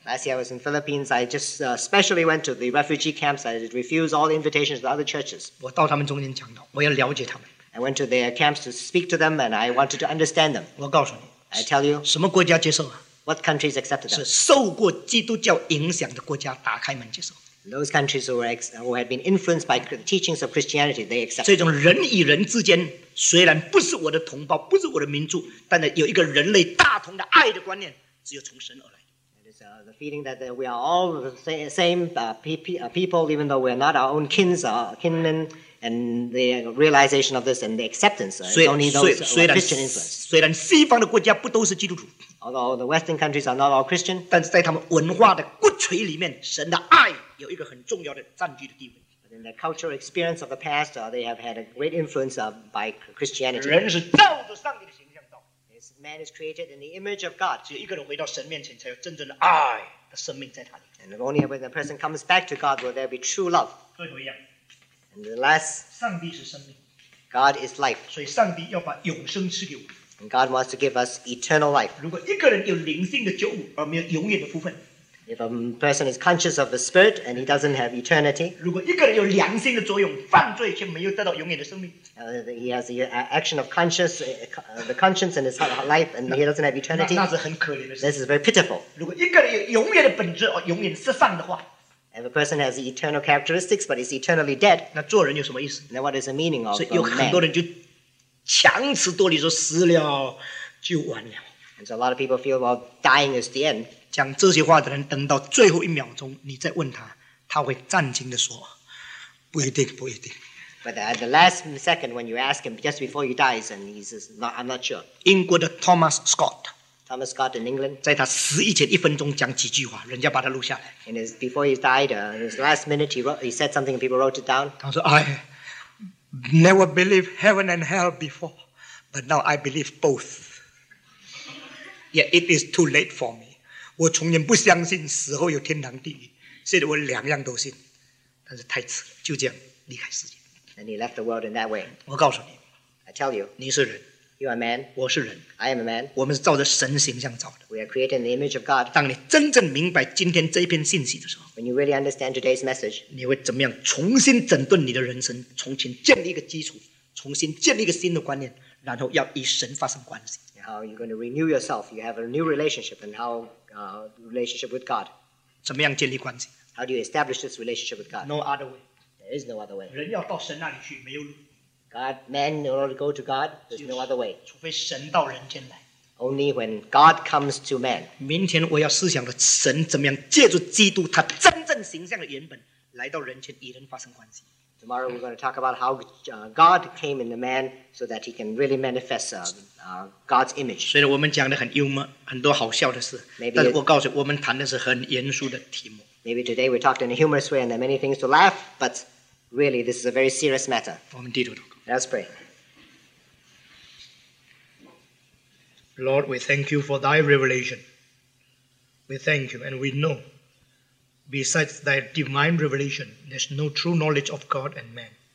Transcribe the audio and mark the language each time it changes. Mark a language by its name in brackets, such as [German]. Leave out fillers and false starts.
[English] Last year I was in Philippines. I just specially went to the refugee camps. I refused all invitations to other churches. [Chinese] 我到他们中间讲道，我要了解他们。 [English] I went to their camps to speak to them, and I wanted to understand them. [Chinese] 我告诉你 [English] ，I tell you， [Chinese] 什么国家接受啊 [English] ？What countries accepted them？ [Chinese] 是受过基督教影响的国家打开门接受。 [English] Those countries who had been influenced by the teachings of Christianity, they accepted. [Chinese] 这种人与人之间，虽然不是我的同胞，不是我的民族，但是有一个人类大同的爱的观念，只有从神而来。 [English] The feeling that we are all the same people, even though we are not our own kinmen, and the realization of this and the acceptance is only those Christian influence. [Chinese] 虽然西方的国家不都是基督徒 [English] although the Western countries are not all Christian, [Chinese] 但是在他们文化的骨髓里面，神的爱有一个很重要的占据的地位。 [English] But in the cultural experience of the past, they have had a great influence by Christianity. [Chinese] 人是照着上帝的。 [English] Man is created in the image of God. [Chinese] 只有一个人回到神面前，才有真正的爱的生命在他里。 [English] And only when the person comes back to God will there be true love. [Chinese] 最后一样。 [English] And the last. [Chinese] 上帝是生命。 [English] God is life. [Chinese] 所以上帝要把永生赐给我们。 [English] And God wants to give us eternal life. [Chinese] 如果一个人有灵性的觉悟而没有永远的福分。 [English] If a person is conscious of the spirit and he doesn't have eternity. [Chinese] 如果一个人有良心的作用，犯罪却没有得到永远的生命。 [English] He has the action of conscience, the conscience in his life, and he doesn't have eternity. [Chinese] 那是很可怜的事。 [English] This is very pitiful. [Chinese] 如果一个人有永远的本质而永远失丧的话。 [English] If a person has the eternal characteristics but is eternally dead. [Chinese] 那做人有什么意思？ [English] Then what is the meaning of man? [Chinese] 所以有很多人就强词夺理说死了就完了。 [English] And so a lot of people feel well, dying is the end. [Chinese] 讲这些话的人等到最后一秒钟你再问他他会战兢地说不一定不一定 [English] But at the last second when you ask him just before he dies and he says not, I'm not sure [Chinese] 英国的 Thomas Scott [English] Thomas Scott in England [Chinese] 在他死以前一分钟讲几句话人家把他录下来 [English] And his, before he died in his last minute he said something and people wrote it down [Chinese] 他说 [English] I never believed heaven and hell before but now I believe both Yet it is too late for me [Chinese] 我从前不相信死后有天堂地狱，现在我两样都信，但是太迟了，就这样离开世界。 [English] And he left the world in that way. [Chinese] 我告诉你 [English] ，I tell you， [Chinese] 你是人 [English] ，You are man， [Chinese] 我是人 [English] ，I am a man， [Chinese] 我们是照着神形象造的。 [English] We are created in the image of God. [Chinese] 当你真正明白今天这一篇信息的时候 [English] ，When you really understand today's message， [Chinese] 你会怎么样重新整顿你的人生，重新建立一个基础，重新建立一个新的观念，然后要与神发生关系。 [English] How you're going to renew yourself? You have a new relationship, and how relationship with God? [Chinese] 怎么样建立关系 [English] ？How do you establish this relationship with God? No other way. There is no other way. [Chinese] 人要到神那里去，没有路。 [English] God, man, in order to go to God, there's no other way. [Chinese] 除非神到人间来。 [English] Only when God comes to man. [Chinese] 明天我要思想的神怎么样借助基督他真正形象的原本来到人间与人发生关系。 [English] Tomorrow we're going to talk about how God came in the man so that he can really manifest God's image. [Chinese] 虽然我们讲的很幽默，很多好笑的事，但是我告诉我们谈的是很严肃的题目。 [English] Maybe today we talked in a humorous way and there are many things to laugh, but really this is a very serious matter. [Chinese] 我们低头祷告。 [English] Let's pray. Lord, we thank you for thy revelation. We thank you and we know. Besides thy divine revelation, there's no true knowledge of God and man.